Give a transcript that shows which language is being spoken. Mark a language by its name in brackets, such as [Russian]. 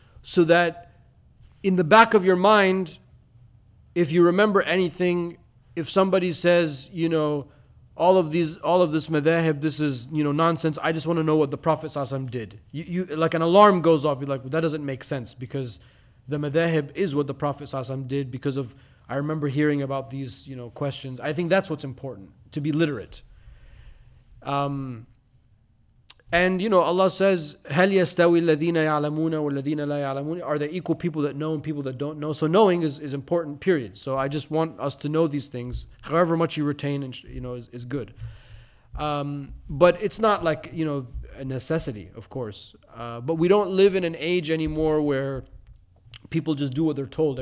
[English] So that in the back of your mind, if you remember anything, if somebody says, you know, all of this madhahib, this is, you know, nonsense, I just want to know what the Prophet ﷺ did. You like an alarm goes off, you're like, well, that doesn't make sense, because the madhahib is what the Prophet ﷺ did, because of, I remember hearing about these, you know, questions. I think that's what's important, to be literate. And, you know, Allah says, [Arabic] هَلْ يَسْتَوِي الَّذِينَ يَعْلَمُونَ وَالَّذِينَ لَا يَعْلَمُونَ. [English] Are there equal people that know and people that don't know? So knowing is important, period. So I just want us to know these things, however much you retain, and, you know, is good. But it's not like, you know, a necessity, of course. But we don't live in an age anymore where people just do what they're told.